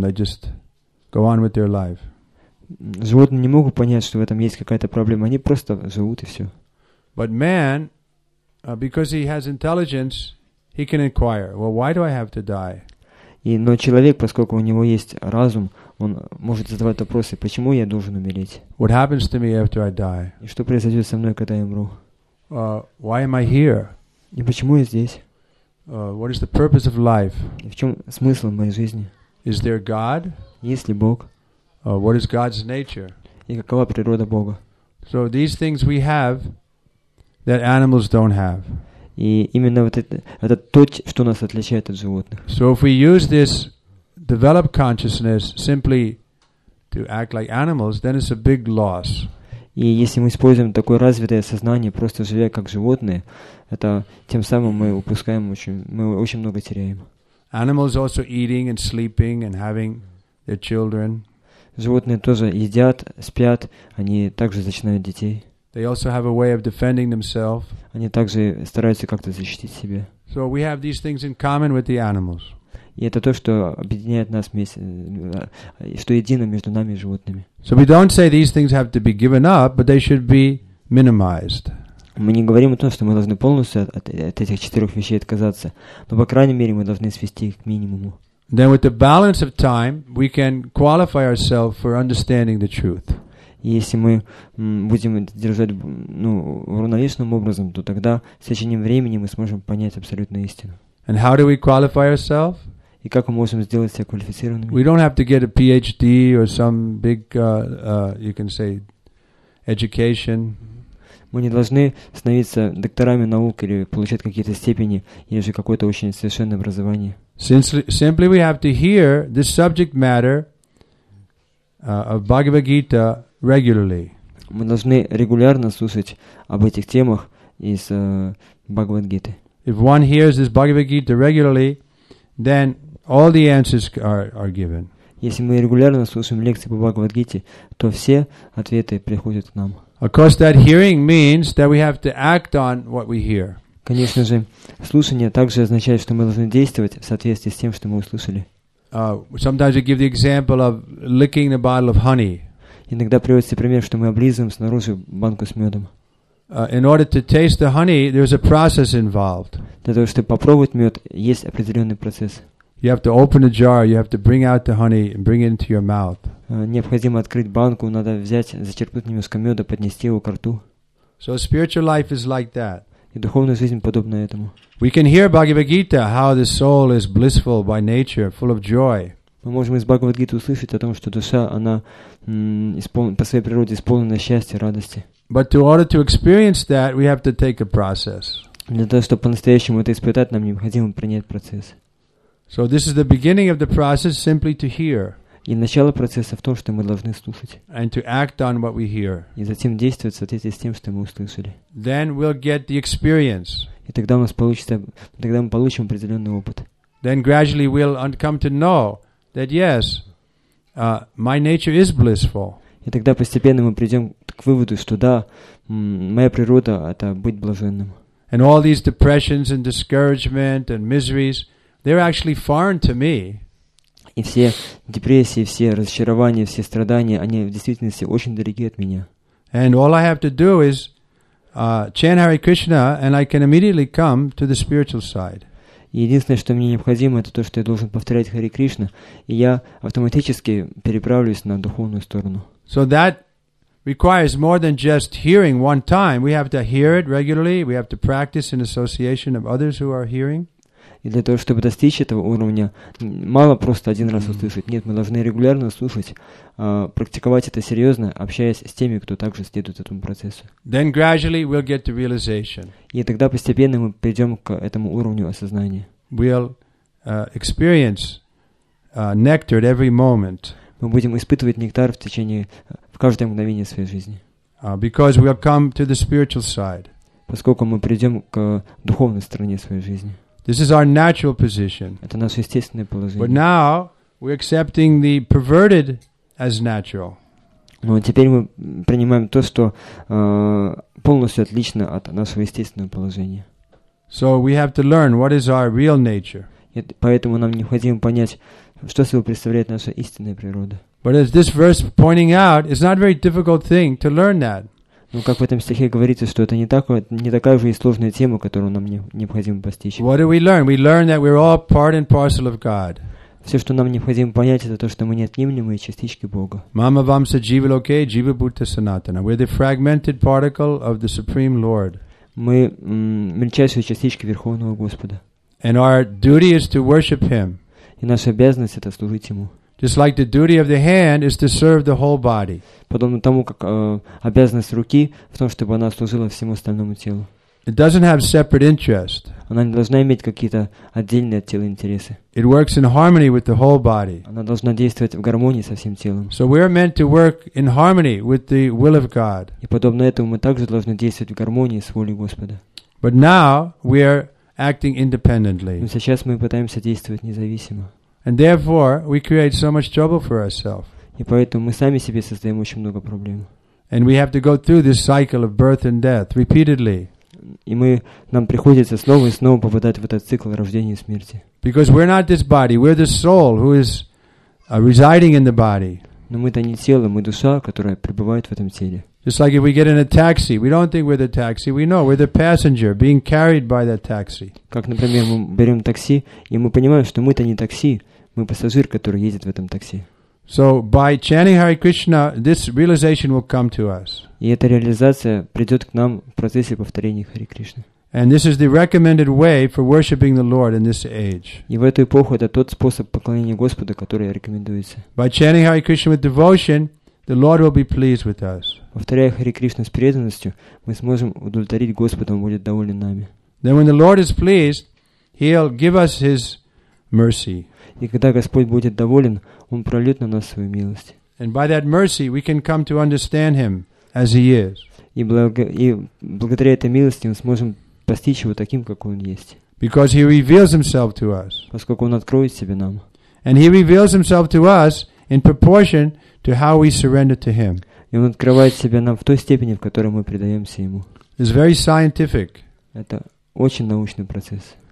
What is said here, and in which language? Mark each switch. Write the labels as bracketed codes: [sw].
[en] They just go on with their life. [ru] Животные не могут понять, что в этом есть какая-то проблема. Они просто живут и все. [en] But man, because he has intelligence, he can inquire. Well, why do I have to die? [ru] И но человек, поскольку у него есть разум, он может задавать вопросы: почему я должен умереть? [en] What happens to me after I die? [ru] И что произойдет со мной, когда я умру? [en] Why am I here? [ru] И почему я здесь? [en] What is the purpose of life? [ru] И в чем смысл моей жизни? [en] Is there God? [ru] Есть ли Бог? [en] What is God's nature? [ru] И какова природа Бога? [en] So these things we have that animals don't have. [ru] И именно вот это то, что нас отличает от животных. [en] So if we use this developed consciousness simply to act like animals, then it's a big loss. [ru] И если мы используем такое развитое сознание, просто живя как животные, это тем самым мы упускаем очень много теряем. [en] Animals also eating and sleeping and having their children. [ru] Животные тоже едят, спят, они также зачинают детей. [en] They also have a way of defending themselves. [ru] Они также стараются как-то защитить себя. [en] So we have these things in common with the animals. [ru] И это то, что объединяет нас вместе, что едино между нами и животными. [en] So we don't say these things have to be given up, but they should be minimized. [ru] Мы не говорим о том, что мы должны полностью от этих четырех вещей отказаться, но по крайней мере мы должны свести их к минимуму. [en] Then with the balance of time, we can qualify ourselves for understanding the truth. [ru] Если мы будем держать равновесным образом, то тогда с течением времени мы сможем понять абсолютную истину. [en] And how do we qualify ourselves? [ru] И как мы можем сделать себя квалифицированными? [en] We don't have to get a PhD or some big, you can say, education. [ru] Мы не должны становиться докторами наук или получать какие-то степени или же какое-то очень совершенное образование. [en] Simply we have to hear this subject matter of Bhagavad Gita regularly. [ru] Мы должны регулярно слушать об этих темах из Бхагавад Гиты. [en] If one hears this Bhagavad Gita regularly, then all the answers are given. [ru] Если мы регулярно слушаем лекции по Бхагавад Гите, то все ответы приходят к нам. [en] Of course, that hearing means that we have to act on what we hear. [ru] Конечно же, слушание также означает, что мы должны действовать в соответствии с тем, что мы услышали. [en] Sometimes we give the example of licking a bottle of honey. [ru] Иногда приводится пример, что мы облизываем снаружи банку с медом. [en] In order to taste the honey, there's a process involved. [ru] Для того, чтобы попробовать мед, есть определенный процесс. [en] You have to open a jar, you have to bring out the honey and bring it into your mouth. [ru] Необходимо открыть банку, надо взять, зачерпнуть немножко меда, поднести его ко рту. [en] So spiritual life is like that. [ru] И духовная жизнь подобна этому. [en] We can hear Bhagavad Gita, how the soul is blissful by nature, full of joy. [ru] Мы можем из Бхагавад Гиты услышать о том, что душа, она по своей природе исполнена счастья, радости. [en] But in order to experience that, we have to take a process. [ru] Для того, чтобы по-настоящему это испытать, нам необходимо принять процесс. [en] So this is the beginning of the process, simply to hear. [ru] И начало процесса в том, что мы должны слушать. [en] And to act on what we hear. [ru] И затем действовать в соответствии с тем, что мы услышали. [en] Then we'll get the experience. [ru] И тогда у нас получится, тогда мы получим определенный опыт. [en] Then gradually we'll come to know that yes, my nature is blissful. [ru] И тогда постепенно мы придем к выводу, что да, моя природа — это быть блаженным. [en] And all these depressions and discouragement and miseries, they're actually foreign to me. [ru] И все депрессии, все разочарования, все страдания, они в действительности очень дороги от меня. [en] And all I have to do is chant Hare Krishna, and I can immediately come to the spiritual side. [ru] Единственное, что мне необходимо, это то, что я должен повторять Хари Кришна, и я автоматически переправлюсь на духовную сторону. [en] So that requires more than just hearing one time. We have to hear it regularly. We have to practice in association of others who are hearing. [ru] И для того, чтобы достичь этого уровня, мало просто один раз услышать. Нет, мы должны регулярно слушать, практиковать это серьезно, общаясь с теми, кто также следует этому процессу. [en] Then gradually we'll get to realization. [ru] И тогда постепенно мы придем к этому уровню осознания. [en] We'll experience nectar at every moment. [ru] Мы будем испытывать нектар в течение, в каждое мгновение своей жизни. [en] Because we have come to the spiritual side. [ru] Поскольку мы придем к духовной стороне своей жизни. [en] This is our natural position. [ru] Это наше естественное положение. [en] But now we're accepting the perverted as natural. [ru] Но теперь мы принимаем то, что полностью отлично от нашего естественного положения. [en] So we have to learn what is our real nature. [ru] Поэтому нам необходимо понять, что собой представляет наша истинная природа. [en] But as this verse pointing out, it's not a very difficult thing to learn that. [ru] Ну, как в этом стихе говорится, что это не такая же и сложная тема, которую нам необходимо постичь. [en] What do we learn? We learn that we're all part and parcel of God. [ru] Все, что нам необходимо понять, это то, что мы неотъемлемые частички Бога. [sa] Мама вамса джива локе джива бутта санатана. [en] We're the fragmented particle of the Supreme Lord. [ru] Мы мельчайшие частички Верховного Господа. [en] And our duty is to worship Him. [ru] И наша обязанность — это служить Ему. [en] Just like the duty of the hand is to serve the whole body. [ru] Подобно тому, как обязанность руки в том, чтобы она служила всему остальному телу. [en] It doesn't have separate interest. [ru] Она не должна иметь какие-то отдельные от тела интересы. [en] It works in harmony with the whole body. [ru] Она должна действовать в гармонии со всем телом. [en] So we are meant to work in harmony with the will of God. [ru] И подобно этому мы также должны действовать в гармонии с волей Господа. [en] But now we are acting independently. [ru] Но сейчас мы пытаемся действовать независимо. [en] And therefore we create so much trouble for ourselves. [ru] И поэтому мы сами себе создаем очень много проблем. [en] And we have to go through this cycle of birth and death repeatedly. [ru] И мы, нам приходится снова и снова попадать в этот цикл рождения и смерти. [en] Because we're not this body, we're the soul who is residing in the body. [ru] Но мы-то не тело, мы душа, которая пребывает в этом теле. [en] Just like if we get in a taxi, we don't think we're the taxi, we know we're the passenger being carried by that taxi. [ru] Как, например, мы берем такси, и мы понимаем, что мы-то не такси, мы пассажир, который едет в этом такси. [en] So by chanting Hare Krishna, this realization will come to us. [ru] И эта реализация придет к нам в процессе повторения Хари Кришны. [en] And this is the recommended way for worshiping the Lord in this age. [ru] И в эту эпоху это тот способ поклонения Господу, который рекомендуется. [en] By chanting Hare Krishna with devotion, the Lord will be pleased with us. [ru] Повторяя Хари Кришну с преданностью, мы сможем удовлетворить Господа, Он будет доволен нами. [en] Then when the Lord is pleased, He'll give us His mercy. [ru] И когда Господь будет доволен, Он прольет на нас свою милость. [en] And by that mercy, we can come to understand Him as He is. [ru] И благодаря этой милости мы сможем постичь Его таким, какой Он есть. [en] Because He reveals Himself to us. [ru] Поскольку Он откроет Себя нам. [en] And He reveals Himself to us in proportion to how we surrender to Him. [ru] И Он открывает Себя нам в той степени, в которой мы предаемся Ему. [en] It's very scientific. [ru] Это очень научный процесс.